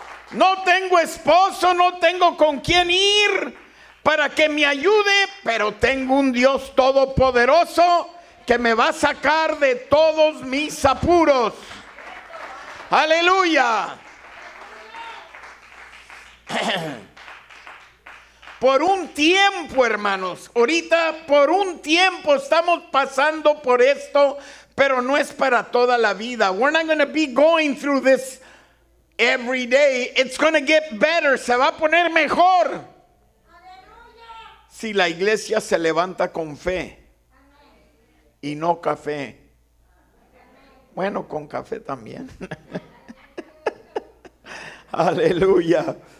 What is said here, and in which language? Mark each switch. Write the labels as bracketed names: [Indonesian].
[Spanish] No tengo esposo, no tengo con quién ir para que me ayude, pero tengo un Dios todopoderoso que me va a sacar de todos mis apuros. ¡Aleluya! Por un tiempo, hermanos, ahorita por un tiempo estamos pasando por esto, pero no es para toda la vida. [English] We're not going to be going through this every day. It's going to get better. [Spanish] Se va a poner mejor. Si la iglesia se levanta con fe y no café, bueno, con café también. Aleluya.